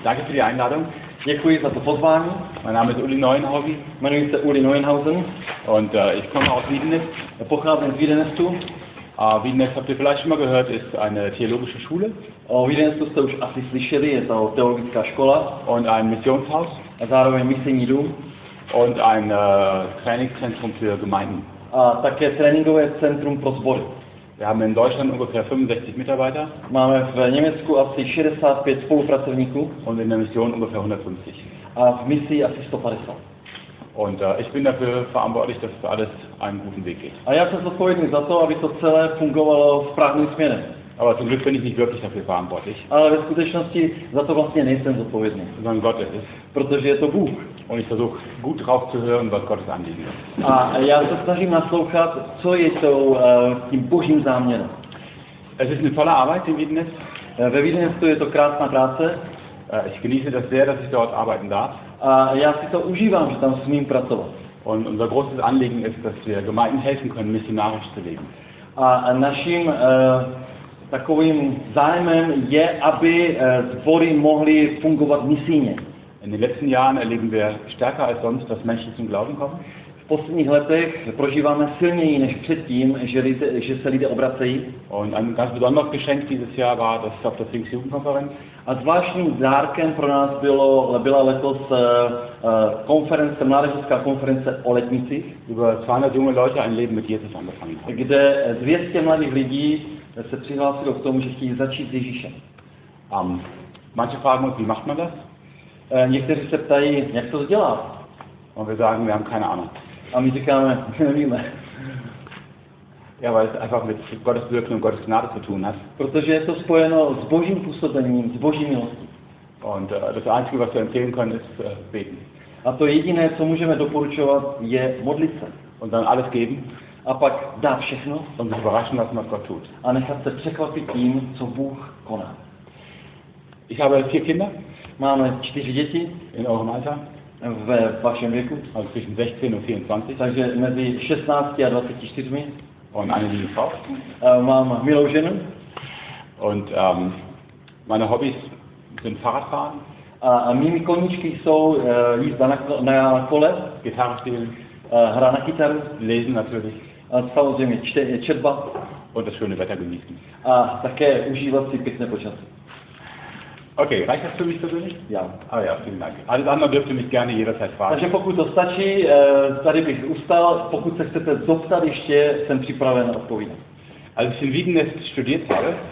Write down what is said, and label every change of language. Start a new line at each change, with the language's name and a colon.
German: Danke für die Einladung.
Czech: Děkuji za to pozvání.
German: Mein Name ist Uli Neuenhausen.
Czech: Jmenuji se Uli Neuenhausen.
German: Und ich komme aus Wiedenest.
Czech: Pocházím z Wiedenestu.
German: Wiedenest habt ihr vielleicht schon mal gehört, ist eine theologische Schule.
Czech: Wiedenest jste už asi slyšeli, je to teologická škola.
German: Und ein Missionshaus.
Czech: A zároveň misijní dům.
German: Und ein Trainingszentrum für Gemeinden.
Czech: A také tréninkové centrum pro sbory.
German: Wir haben in Deutschland ungefähr 65 Mitarbeiter.
Czech: Máme v Německu asi 65 spolupracovníků.
German: Und in der Mission ungefähr 150.
Czech: A v misi asi 150.
German: Und ich bin dafür verantwortlich, dass alles einen guten Weg geht.
Czech: A já jsem zodpovědný za to, aby to celé fungovalo správným směrem.
German: Aber zum Glück bin ich nicht wirklich dafür verantwortlich.
Czech: Ale ve skutečnosti za to vlastně nejsem zodpovědný.
German: Sondern Gott ist es.
Czech: Protože je to Bůh.
German: Und ich versuche gut drauf zu hören, was Gottes Anliegen ist.
Czech: A já se snažím naslouchat, co je to tím Božím záměrem.
German: Es ist eine tolle Arbeit in Wiedenest.
Czech: Ve Wiedenestu je to krásná práce.
German: Ich genieße das sehr, dass ich dort arbeiten darf.
Czech: A já si to užívám, že tam smím pracovat.
German: Und unser großes Anliegen ist, dass wir Gemeinden helfen können, missionarisch zu leben.
Czech: A naším takovým zájmem je, aby sbory mohly fungovat misijně.
German: In den letzten Jahren erleben wir stärker als sonst, dass Menschen zum Glauben kommen.
Czech: V posledních letech prožíváme silněji než předtím, že se lidé obracejí.
German: Und ein ganz besonderes Geschenk dieses Jahr war das auf der Pfingstjugendkonferenz.
Czech: A zvláštním dárkem pro nás byla letos konference, mládežnická konference o letnicích.
German: Über 200 junge Leute ein Leben mit Jesus angefangen haben.
Czech: Kde 200 mladých lidí se přihlásilo k tomu, že chtějí začít s Ježíšem.
German: Manche fragen uns, wie macht man das?
Czech: Někteří se ptají, jak to dělá?
German: Und wir sagen, wir haben keine Ahnung.
Czech: A my říkáme, nevíme.
German: Ja, weil es einfach mit Gottes Wirken und Gottes Gnade zu tun hat.
Czech: Protože je to spojeno s Božím působením, s Boží milostí.
German: Und das Einzige, was wir empfehlen können, ist beten.
Czech: A to jediné, co můžeme doporučovat, je modlit se.
German: Und dann alles geben.
Czech: A pak dát všechno.
German: Und sich überraschen lassen, was Gott tut.
Czech: A nechat se překvapit tím, co Bůh koná.
German: Ich habe 4 Kinder.
Czech: Máme 4 děti.
German: In eurem Alter.
Czech: V vašem věku.
German: Also zwischen 16 und 24.
Czech: Takže mezi 16 a 24.
German: Und eine liebe Frau.
Czech: Mám milou ženu.
German: Und meine Hobbys sind Fahrradfahren.
Czech: A mými koníčky jsou jízda na kole.
German: Gitarre spielen.
Czech: Hra na kytaru.
German: Lesen natürlich.
Czech: A samozřejmě četba.
German: Und das schöne Wetter genießen.
Czech: A také užívat si pěkné počasí.
German: Okay, reicht das für mich persönlich? Ja. Ah ja, vielen Dank. Alles andere dürft ihr mich gerne jederzeit fragen.
Czech: Takže pokud to stačí, tady bych ustal. Pokud se chcete zeptat ještě, jsem připraven odpovídat.
German: Als ich in Wiedenest studiert habe.